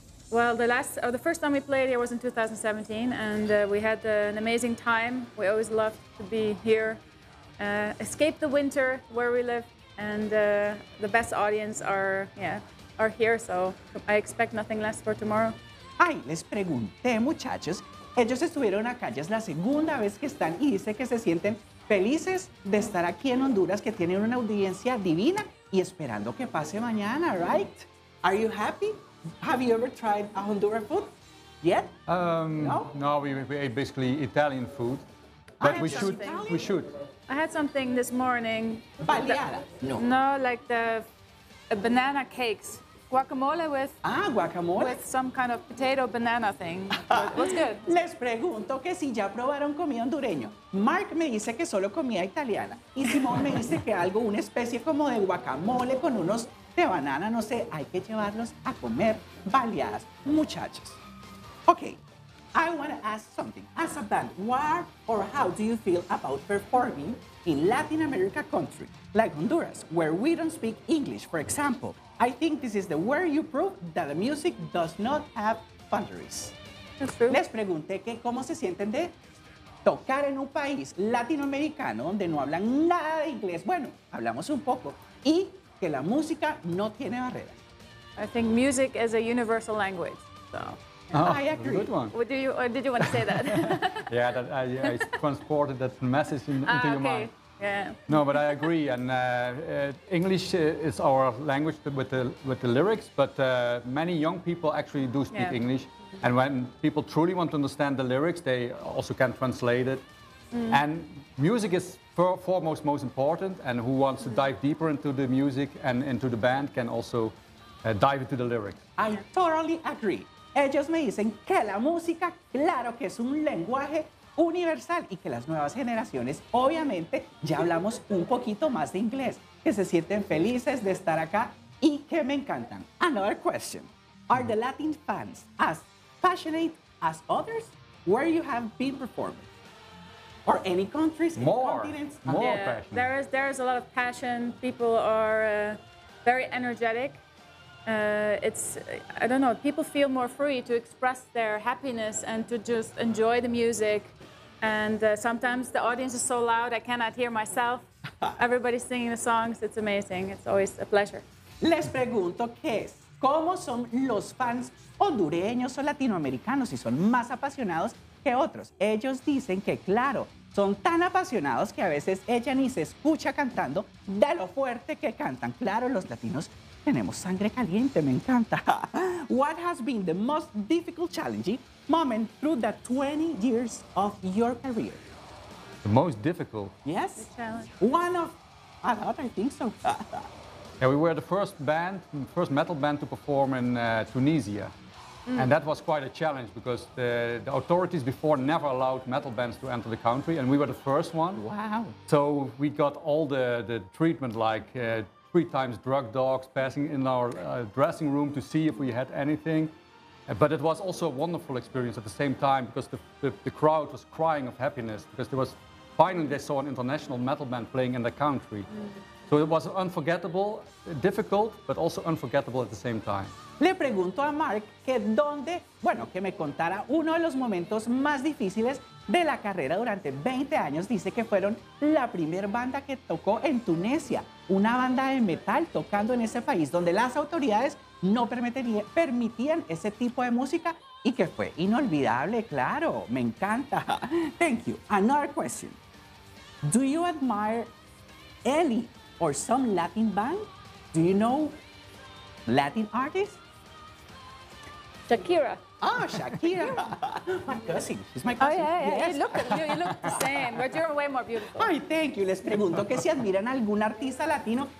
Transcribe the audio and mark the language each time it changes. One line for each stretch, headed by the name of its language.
English: Well, the first time we played here was in 2017, and we had an amazing time. We always love to be here, escape the winter where we live, and the best audience are here, so I expect nothing less for tomorrow.
Spanish: Ay, les pregunté, muchachos. Ellos estuvieron acá, ya es la segunda vez que están, y dice que se sienten felices de estar aquí en Honduras, que tienen una audiencia divina, y esperando que pase mañana,
English: right? Are you happy? Have you ever tried a Honduran food yet? No, we ate basically Italian food. But we should. I had something this morning. Baleada? No. No, like the banana cakes. Guacamole with... Ah, guacamole. With some kind of potato banana thing. What's good?
Spanish: Les pregunto que si ya probaron comida hondureño. Mark me dice que solo comía italiana. Y Simone me dice que algo, una especie como de guacamole con unos... de banana, no sé, hay que llevarlos a comer baleadas, muchachos.
English: Okay, I want to ask something. As a band, where or how do you feel about performing in Latin America country, like Honduras, where we don't speak English, for example? I think this is the where you prove that the music does not have boundaries. That's true.
Spanish: Les pregunté que cómo se sienten de tocar en un país latinoamericano donde no hablan nada de inglés. Bueno, hablamos un poco. Y que la música no tiene barreras.
English: I think music is a universal language. So, yeah. Oh, I agree. Good one. Well, did you want to say that? Yeah, that I transported that message into okay. your mind. Yeah. No, but I agree. And English is our language with the lyrics, but many young people actually do speak English. And when people truly want to understand the lyrics, they also can translate it. Mm. And music is foremost most important, and who wants to dive deeper into the music and into the band can also dive into the lyrics. I totally agree.
Spanish: Ellos me dicen que la música, claro que es un lenguaje universal y que las nuevas generaciones, obviamente, ya hablamos un poquito más de inglés, que se sienten felices de estar acá y que me encantan.
English: Another question. Are the Latin fans as passionate as others where you have been performing? Or any countries, more, any continents? More yeah, passionate. There is a lot of passion. People are very energetic. I don't know, people feel more free to express their happiness and to just enjoy the music. And sometimes the audience is so loud, I cannot hear myself. Everybody's singing the songs, it's amazing. It's always a pleasure.
Spanish: Les pregunto qué es, ¿cómo son los fans hondureños o latinoamericanos si son más apasionados que otros? Ellos dicen que, claro, son tan apasionados que a veces ella ni se escucha cantando de lo fuerte que cantan. Claro, los latinos tenemos sangre caliente, me encanta.
English: What has been the most difficult, challenging moment through the 20 years of your career? The most difficult? Yes. The challenge. One of a lot, I think so. Yeah, we were the first metal band to perform in Tunisia. Mm. And that was quite a challenge because the authorities before never allowed metal bands to enter the country, and we were the first one. Wow. So we got all the treatment, like 3 times drug dogs passing in our dressing room to see if we had anything. But it was also a wonderful experience at the same time because the crowd was crying of happiness because there was finally they saw an international metal band playing in the country. Mm. So it was unforgettable, difficult, but also unforgettable at the same time.
Spanish: Le pregunto a Mark que dónde, bueno, que me contara uno de los momentos más difíciles de la carrera durante 20 años. Dice que fueron la primer banda que tocó en Tunisia, una banda de metal tocando en ese país donde las autoridades no permitían ese tipo de música Y que fue inolvidable, claro. Me encanta.
English: Thank you. Another question. Do you admire any or some Latin band? Do you know Latin artists? Shakira. Oh, Shakira. My cousin. She's my cousin. Oh, yeah, yeah. Yes. You look the same, but you're way more beautiful. Ay, thank you.
Spanish: Les pregunto que si admiran algún artista latino.